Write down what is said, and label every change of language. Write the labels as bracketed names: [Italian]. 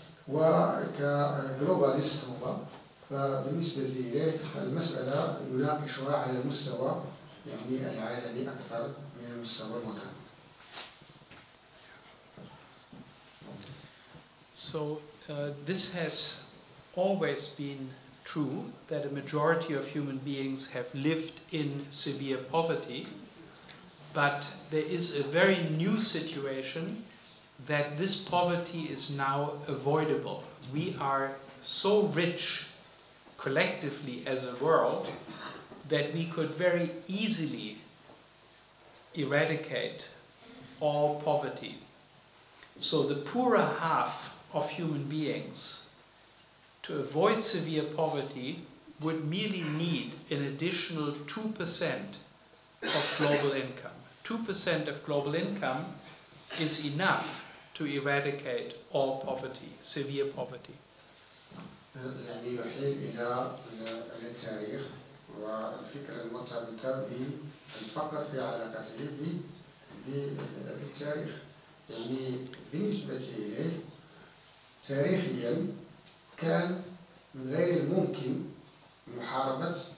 [Arabic] وكجلوباليست هو، فبالنسبة إليه فالمسألة يناقشها على المستوى يعني العالمي أكثر من المستوى المكان. [English] So this has always been true, that a majority of human beings have lived in severe poverty, but there is a very new situation that this poverty is now avoidable. We are so rich collectively as a world that we could very easily eradicate all poverty. So the poorer half of human beings, to avoid severe poverty, would merely need an additional 2% of global income. 2% of global income is enough to eradicate all poverty, severe poverty. [Arabic] يعني يحيل إلى التاريخ والفكر المتعلق بالفقر في علاقته بالتاريخ يعني بالنسبة إليه تاريخيا كان من غير الممكن محاربة